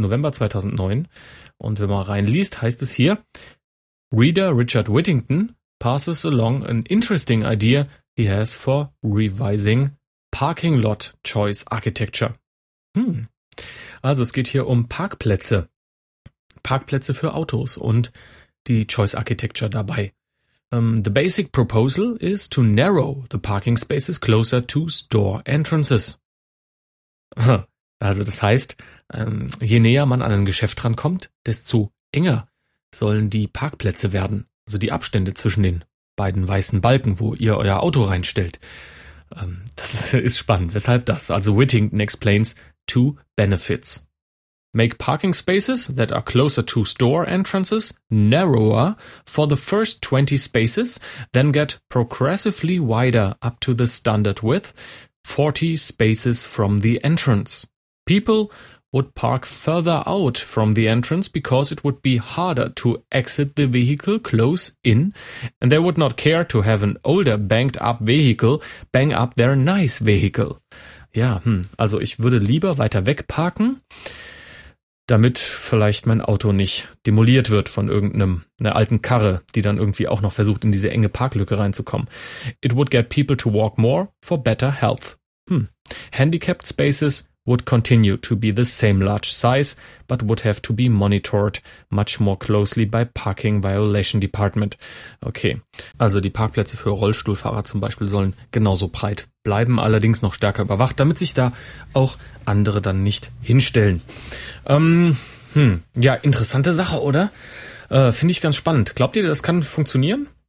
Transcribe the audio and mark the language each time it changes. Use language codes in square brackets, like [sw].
[en] November 2009. [de] Und wenn man reinliest, heißt es hier: [en] Reader Richard Whittington passes along an interesting idea he has for revising Parking Lot Choice Architecture. [de] Also es geht hier um Parkplätze. Parkplätze für Autos und die Choice Architecture dabei. [en] The basic proposal is to narrow the parking spaces closer to store entrances. [de] Also das heißt, je näher man an ein Geschäft rankommt, desto enger sollen die Parkplätze werden. Also die Abstände zwischen den beiden weißen Balken, wo ihr euer Auto reinstellt. Das ist spannend. Weshalb das? Also [en] Whittington explains two benefits. Make parking spaces that are closer to store entrances narrower for the first 20 spaces, then get progressively wider up to the standard width, 40 spaces from the entrance. People would park further out from the entrance because it would be harder to exit the vehicle close in, and they would not care to have an older banked up vehicle bang up their nice vehicle. [de] Ja, also ich würde lieber weiter weg parken, damit vielleicht mein Auto nicht demoliert wird von einer alten Karre, die dann irgendwie auch noch versucht, in diese enge Parklücke reinzukommen. [en] It would get people to walk more for better health. Handicapped spaces would continue to be the same large size, but would have to be monitored much more closely by parking violation department. [de] Okay, also die Parkplätze für Rollstuhlfahrer zum Beispiel sollen genauso breit bleiben, allerdings noch stärker überwacht, damit sich da auch andere dann nicht hinstellen. Ja, interessante Sache, oder? Finde ich ganz spannend. Glaubt ihr, das kann funktionieren?